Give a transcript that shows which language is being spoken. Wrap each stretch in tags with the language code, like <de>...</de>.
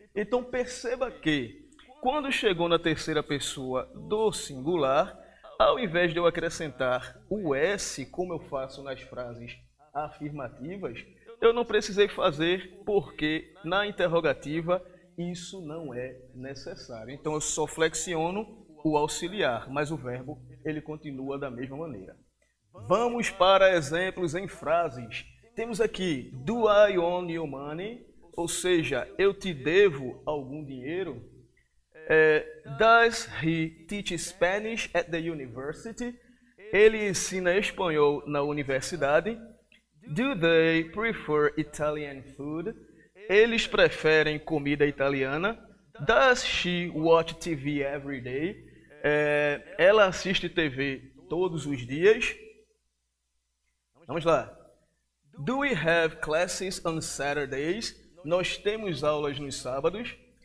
<pt>Então perceba que quando chegou na terceira pessoa do singular, ao invés de eu acrescentar o S, como eu faço nas frases afirmativas, eu não precisei fazer porque na interrogativa isso não é necessário. Então, eu só flexiono o auxiliar, mas o verbo ele continua da mesma maneira. Vamos para exemplos em frases. Temos aqui,</pt> <en>do I own your money?</en> <pt>Ou seja, eu te devo algum dinheiro?</pt> <en>Does he teach Spanish at the university?</en> <pt>Ele ensina espanhol na universidade.</pt> <en>Do they prefer Italian food?</en> <pt>Eles preferem comida italiana.</pt> <en>Does she watch TV every day?</en> <pt>Ela assiste TV todos os dias. Vamos lá.</pt> <en>Do we have classes on Saturdays?</en> <pt>Nós temos aulas nos sábados.</pt>